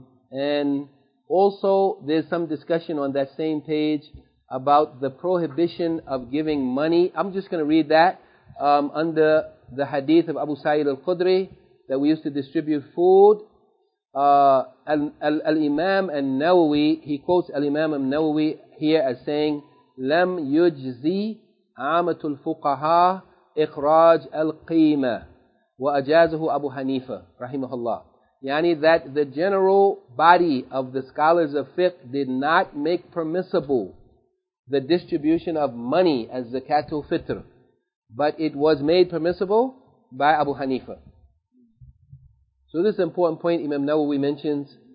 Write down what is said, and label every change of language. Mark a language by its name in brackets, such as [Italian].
[English] And also, there's some discussion on that same page about the prohibition of giving money. I'm just going to read that under the hadith of Abu Sa'id al-Khudri, that we used to distribute food. Al-Imam al-Nawawi, he quotes Al-Imam al-Nawawi here as saying, [Arabic] لَمْ يُجْزِي عَامَةُ الْفُقَهَا إِخْرَاجْ الْقِيمَ وَأَجَازَهُ أَبُو حَنِيفَ رَحِمَهُ اللَّهُ. [English] Yani that the general body of the scholars of fiqh did not make permissible the distribution of money as zakat al-fitr, but it was made permissible by Abu Hanifa. So this is an important point Imam Nawawi mentions.